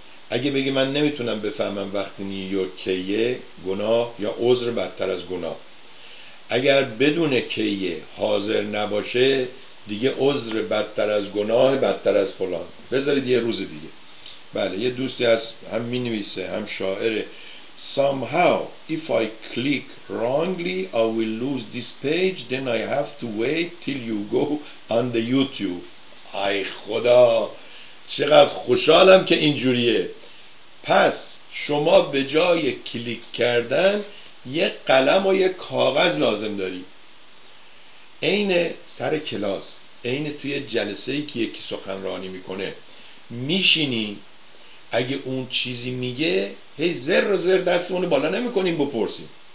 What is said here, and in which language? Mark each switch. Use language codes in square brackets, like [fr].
[fa] اگه بگی من نمیتونم بفهمم وقت نیویورک کیه، گناه یا عذر بدتر از گناه. اگر بدون کیه حاضر نباشه دیگه عذر بدتر از گناه بدتر از فلان. بذارید یه روز دیگه. بله، یه دوستی هست هم می نویسه هم شاعره. [en] Somehow if I click wrongly I will lose this page then I have to wait till you go on the YouTube. [fa] ای خدا، چقدر خوشحالم که اینجوریه. پس شما به جای کلیک کردن یک قلم و یک کاغذ لازم داری، عین سر کلاس، عین توی جلسه‌ای که یکی سخنرانی میکنه میشینی، اگه اون چیزی میگه هی زر و زر دستمونو بالا نمیکنیم بپرسیم.